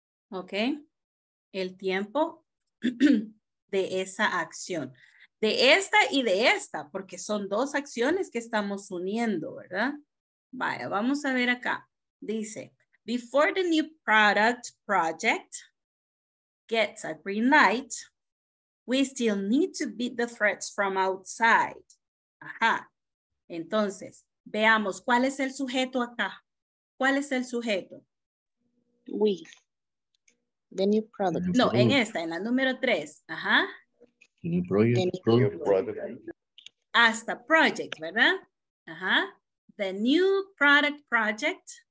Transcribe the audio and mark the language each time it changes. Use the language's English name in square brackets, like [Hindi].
[Spanish] Ok, el tiempo de esa acción, de esta y de esta, porque son dos acciones que estamos uniendo, ¿verdad? Vaya, vamos a ver acá. Dice, [English] before the new product project gets a green light, we still need to beat the threats from outside. [Spanish] Ajá, entonces, veamos, ¿cuál es el sujeto acá? ¿Cuál es el sujeto? [English] We. The new product. [Spanish] No, en esta, en la número 3. Ajá. [English] New product. [Spanish] Hasta [English] project, [Spanish] ¿verdad? Ajá. [English] The new product project.